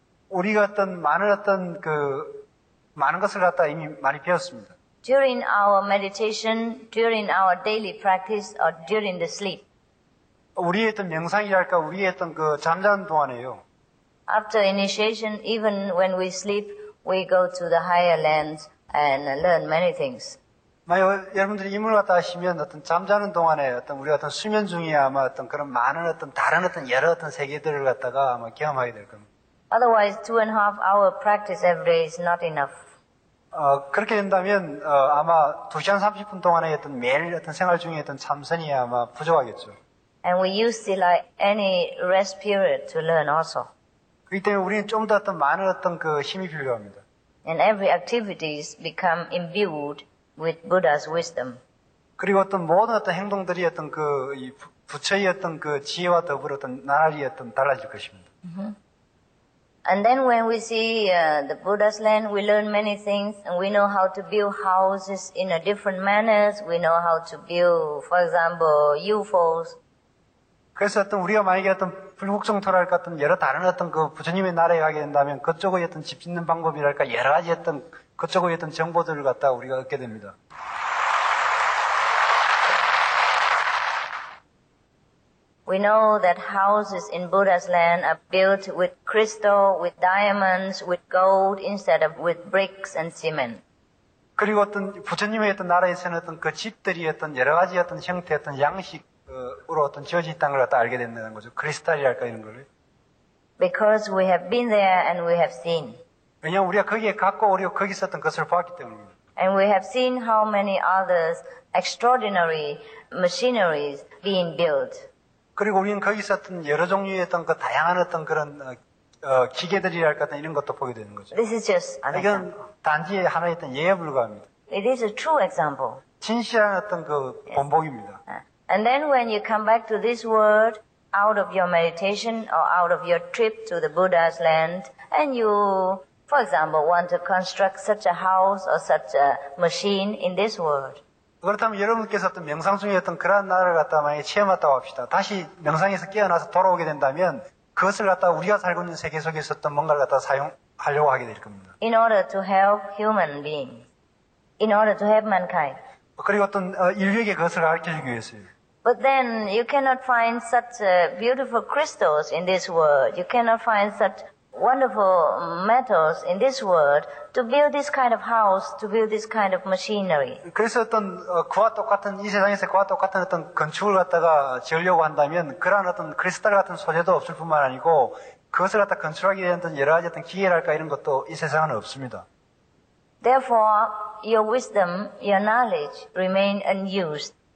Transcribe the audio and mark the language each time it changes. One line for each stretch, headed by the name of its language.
Korean: 우리가 어떤 많은 것을 갖다 이미 많이 배웠습니다.
English: During our meditation, during our daily practice, or during the sleep.
Korean: 우리의 어떤 명상이랄까 우리의 어떤 그 잠자는 동안에요.
English: After initiation, even when we sleep, we go to the higher lands and learn many things.
Korean: 여러분들이 이물 갖다 하시면 어떤 잠자는 동안에 어떤 우리 어떤 수면 중에 아마 어떤 그런 많은 어떤 다른 어떤 여러 어떤 세계들을 갖다가 아마 경험하게 될 겁니다.
English: Otherwise, 2.5 hour practice every day is not enough.
Korean: 그렇게 된다면 아마 2시간 30분 동안의 어떤 매일 어떤 생활 중에 어떤 참선이 아마 부족하겠죠.
English: And we use the like any rest period to learn also.
Korean: 그렇기 때문에 우리는 좀 더 어떤 많은 어떤 그 힘이 필요합니다.
English: And every activities become imbued with Buddha's wisdom.
Korean: 그리고 어떤 모든 어떤 행동들이 어떤 그 이 부처의 어떤 그 지혜와 더불어 어떤 나날이 어떤 달라질 것입니다.
English: And then when we see the Buddha's land, we learn many things, and we know how to build houses in a different manners. We know how to build, for example, UFOs.
Korean: 그래서 어떤 우리가 만약에 어떤 불국정토랄까 어떤 여러 다른 어떤 그 부처님의 나라에 가게 된다면 그쪽의 어떤 집 짓는 방법이랄까 여러 가지 어떤 그쪽의 어떤 정보들을 갖다 우리가 얻게 됩니다.
English: We know that houses in Buddha's land are built with crystal, with diamonds, with gold instead of with bricks and cement.
Korean: 그리고 어떤 부처님의 어떤 나라에서는 어떤 그 집들이 어떤 여러 가지 어떤 형태 어떤 양식 으로 어떤 지어진 땅을 갖다 알게 된다는 거죠. 크리스탈이랄까 이런 걸.
English: Because we have been there and we have seen.
Korean: 왜냐하면 우리가 거기에 갔고 우리가 거기 있었던 것을 봤기 때문입니다.
English: And we have seen how many others extraordinary machineries being built.
Korean: 그리고 우리는 거기 있었던 여러 종류의 어떤 그 다양한 어떤 그런 기계들이랄까 이런 것도 보게 되는 거죠.
English: This is just an example.
Korean: 이건 단지 하나의 어떤 예에 불과합니다.
English: It is a true example.
Korean: 진실한 어떤 그 본보기입니다.
English: And then when you come back to this world, out of your meditation or out of your trip to the Buddha's land, and you, for example, want to construct such a house or such a machine in this world.
Korean: 그렇다면 여러분께서 어떤 명상 중에 어떤 그러한 나라를 갖다 만약에 체험했다고 합시다. 다시 명상에서 깨어나서 돌아오게 된다면 그것을 갖다 우리가 살고 있는 세계 속에서 어떤 뭔가를 갖다 사용하려고 하게 될 겁니다.
English: In order to help human beings, in order to help mankind.
Korean: 그리고 어떤 인류에게 그것을 가르쳐주기 위해서요.
English: But then you cannot find such beautiful crystals in this world. You cannot find such wonderful metals in this world to build this kind of house, to build this kind of machinery.
Korean: 그래서 어떤 그와 똑같은 이 세상에서 그와 똑같은 어떤 건축을 갖다가 지으려고 한다면 그런 어떤 크리스탈 같은 소재도 없을 뿐만 아니고 그것을 갖다 건축하기 위한 어떤 여러 가지 어떤 기계랄까 이런 것도 이 세상에는 없습니다.
English: Therefore, your wisdom, your knowledge remain unused.